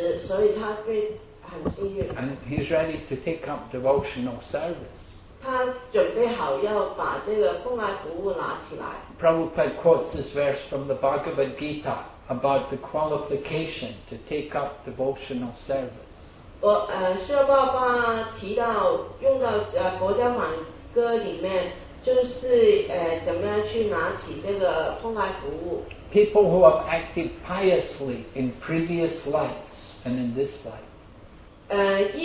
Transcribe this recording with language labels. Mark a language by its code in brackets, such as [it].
[en] And he's ready to take up devotional service. Prabhupada quotes this verse from the Bhagavad Gita about the qualification to take up devotional service. [zh] 舍爸爸提到用到国家满歌里面就是怎么样去拿起这个奉爱服务 [en] People who have acted piously in previous lives and in this life.